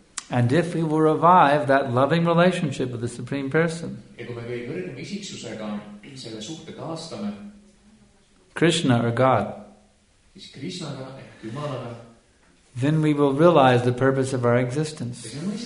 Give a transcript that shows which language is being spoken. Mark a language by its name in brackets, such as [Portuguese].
[English] And if we will revive that loving relationship with the Supreme Person, [Estonian] ja kui me või kõrgem isiksusega selle suhte taastame, [English] Krishna or God, [Estonian] siis Krishnaga ehk Jumalaga, [English] then we will realize the purpose of our existence.